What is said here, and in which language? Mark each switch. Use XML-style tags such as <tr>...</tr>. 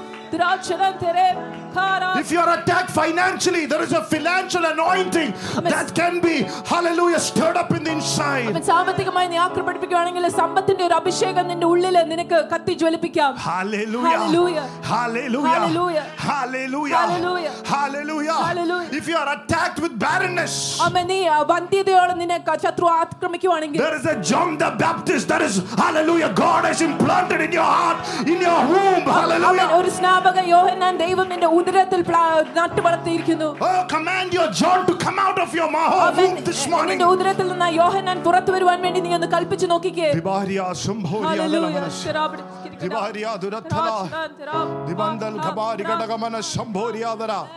<en>If you are attacked financially, there is a financial anointing that can be, hallelujah, stirred up in the inside.</en> <ml>അമ്മ സാമ്പത്തികമായി നീ ആക്രമിക്കപ്പെട്ടിരിക്കുകയാണെങ്കിൽ സമ്പത്തിന്റെ ഒരു അഭിഷേകം നിന്റെ ഉള്ളിൽ നിനക്ക് കത്തി ജ്വലിപ്പിക്കാം.</ml> <en>Hallelujah. Hallelujah. Hallelujah. Hallelujah. Hallelujah. Hallelujah. If you are attacked with barrenness,</en> <ml>അമ്മ നീ വന്ധ്യതയോടെ നിനക്ക് ശത്രു ആക്രമിക്കുകയാണെങ്കിൽ</ml> <en>there is a John the Baptist that is, hallelujah, God has implanted in your heart, in your womb. Hallelujah.</en> <ml>ഒരു സ്നാപക യോഹന്നാൻ ദൈവത്തിന്റെ ഉദരത്തിൽ നട്ടു വളർത്തിയിരിക്കുന്നു.</ml> <en>Oh, command your John to come out of your womb this morning.</en> <ml>നിന്റെ ഉദരത്തിൽ നിന്ന് യോഹന്നാൻ പുറത്തു വരുവാൻ വേണ്ടി നീ ഒന്ന് കൽപ്പിച്ചു നോക്കിക്കേ. ദിബാരിയാ സംഭോരിയ ദലമനസ്സ് ദിബാരിയാ ദുരത്തല ദിബന്ദൽ ഖബാരി ഗടഗമന സംഭോരിയ ദര.</ml>